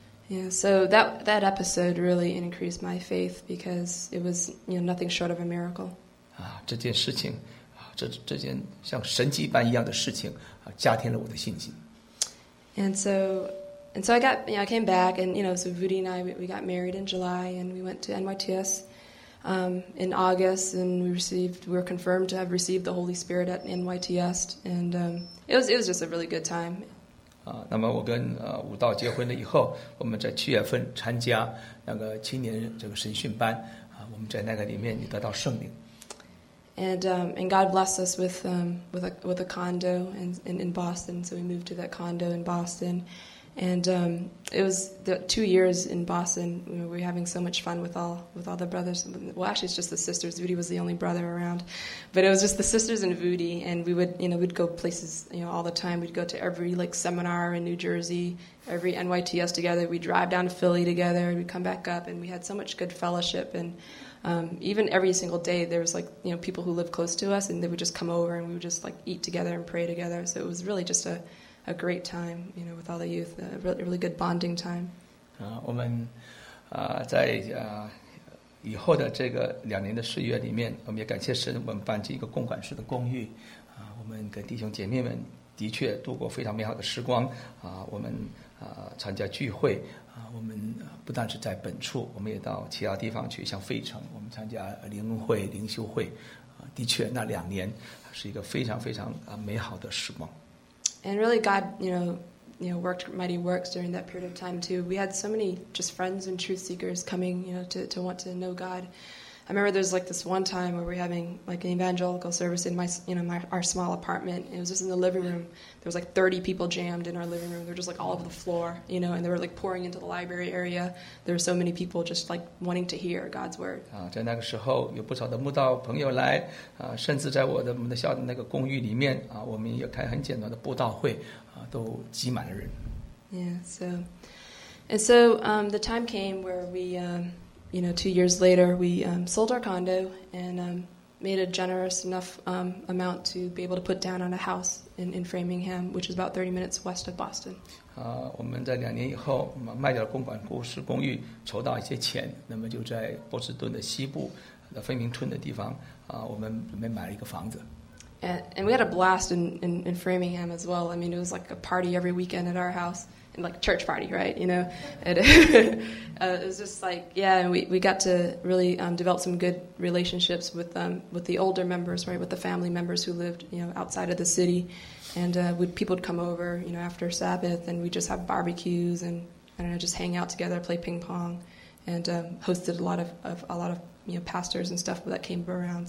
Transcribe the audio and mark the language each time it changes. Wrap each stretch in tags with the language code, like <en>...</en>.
<en>Yeah, so that episode really increased my faith, because it was, you know, nothing short of a miracle.</en> <zh>这件事情这件像神迹般一样的事情加添了我的信心。</zh> <en>And so I got, you know, I came back, and, you know, so Vudi and I, we got married in July, and we went to NYTS in August, and we were confirmed to have received the Holy Spirit at NYTS, and it was just a really good time.</en> <zh>那么我跟武道结婚了以后，我们在七月份参加那个青年这个神训班，我们在那个里面也得到圣灵。</zh> <en>And God blessed us with a condo in Boston, so we moved to that condo in Boston. And it was the 2 years in Boston, you know, we were having so much fun with all the brothers. Well, actually, it's just the sisters. Vudi was the only brother around. But it was just the sisters and Vudi, and we would, you know, we'd go places, you know, all the time. We'd go to every, like, seminar in New Jersey, every NYTS together. We'd drive down to Philly together, and we'd come back up, and we had so much good fellowship. And even every single day, there was, like, you know, people who lived close to us, and they would just come over, and we would just, like, eat together and pray together. So it was really just a great time, you know, with all the youth, a really, really good bonding time.</en> <zh>我们在以后的这个两年的岁月里面，我们也感谢神，我们搬进一个共管式的公寓。我们跟弟兄姐妹们的确度过非常美好的时光。我们参加聚会。我们不但是在本处，我们也到其他地方去，像费城，我们参加灵会、灵修会。的确，那两年是一个非常非常美好的时光。</zh> <en>And really, God, you know, worked mighty works during that period of time too. We had so many just friends and truth seekers coming, you know, to want to know God. I remember there's like this one time where we were having like an evangelical service in our small apartment. It was just in the living room. There was like 30 people jammed in our living room. They were just like all over the floor, you know, and they were like pouring into the library area. There were so many people just like wanting to hear God's word.</en> <zh>在那个时候有不少的慕道朋友来，甚至在我们的校的那个公寓里面，我们也开很简短的慕道会，都挤满了人。</zh> <en>Yeah, so, and so the time came where we, you know, 2 years later, we sold our condo, and made a generous enough amount to be able to put down on a house in Framingham, which is about 30 minutes west of Boston.</en> <zh>我们在两年以后卖掉公馆公寓，筹到一些钱， 那么就在波士顿的西部 的芬明村的地方，我们买了一个房子。</zh> <en>And we had a blast in Framingham as well. I mean, it was like a party every weekend at our house, and like church party, right? You know, and it was just like, yeah. And we got to really develop some good relationships with the older members, right? With the family members who lived, you know, outside of the city, and people would come over, you know, after Sabbath, and we just have barbecues and I don't know, just hang out together, play ping pong, and hosted a lot of you know, pastors and stuff that came around.</en>